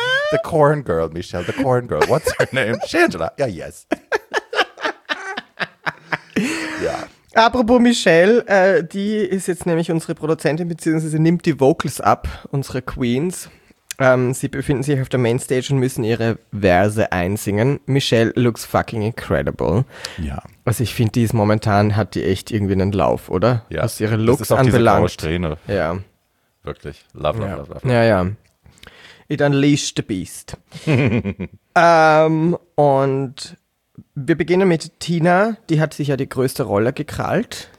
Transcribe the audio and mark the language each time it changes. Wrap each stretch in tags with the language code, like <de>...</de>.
<en>The corn girl, Michelle, the corn girl. What's her name? Shangela. Yeah, yes.</en> <de>Apropos Michelle, die ist jetzt nämlich unsere Produzentin, beziehungsweise nimmt die Vocals ab, unsere Queens. Sie befinden sich auf der Mainstage und müssen ihre Verse einsingen.</de> <en>Michelle looks fucking incredible.</en> <de>Ja. Also ich finde, die ist momentan, hat die echt irgendwie einen Lauf, oder? Ja. Was ihre Looks anbelangt. Das ist auch diese graue Strähne. Ja. Wirklich.</de> <en>Love, love,</en> <de>ja.</de> <en>Love, love, love.</en> <de>Ja, ja.</de> <en>It unleashed the beast.</en> <de>und wir beginnen mit Tina. Die hat sich ja die größte Rolle gekrallt.</de>